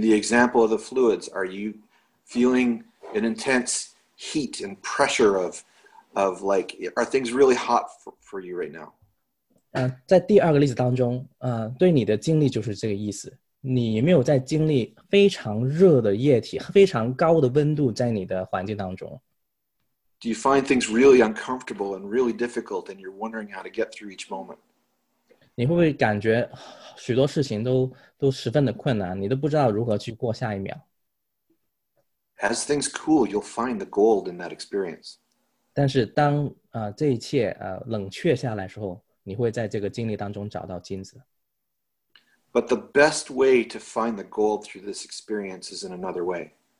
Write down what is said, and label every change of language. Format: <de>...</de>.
<en>the example of the fluids, are you feeling an intense heat and pressure of like, are things really hot for you right now?</en> <zh>在第二个例子当中，对你的经历就是这个意思。你没有在经历非常热的液体、非常高的温度在你的环境当中。</zh> <en>Do you find things really uncomfortable and really difficult and you're wondering how to get through each moment?</en> <zh>你会不会感觉许多事情都十分的困难，你都不知道如何去过下一秒？</zh> <en>As things cool, you'll find the gold in that experience.</en> <zh>但是当这一切冷却下来的时候，你会在这个经历当中找到金子。</zh> <en>But the best way to find the gold through this experience is in another way.</en>